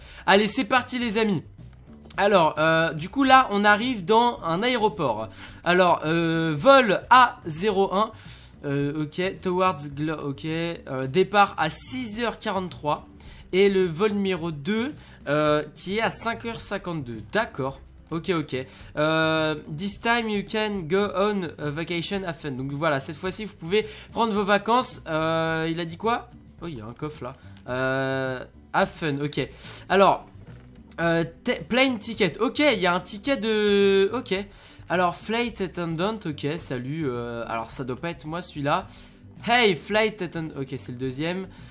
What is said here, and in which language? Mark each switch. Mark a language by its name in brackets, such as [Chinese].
[French] Allez, c'est parti les amis. Alors, du coup là, on arrive dans un aéroport. Alors, vol A01. Ok, towards, ok. Départ à 6h43. Et le vol numéro 2, qui est à 5h52. D'accord. Ok, ok. [English] This time you can go on a vacation, have fun. [French] Donc voilà, cette fois-ci vous pouvez prendre vos vacances. Il a dit quoi? Oh, il y a un coffre là. [English] Have fun, [French] ok. Alors, [English] plane ticket. [French] Ok, il y a un ticket de. Ok. Alors, [English] flight attendant. [French] Ok, salut. Alors, ça doit pas être moi celui-là. [English] Hey, flight attendant. [French] Ok, c'est le deuxième.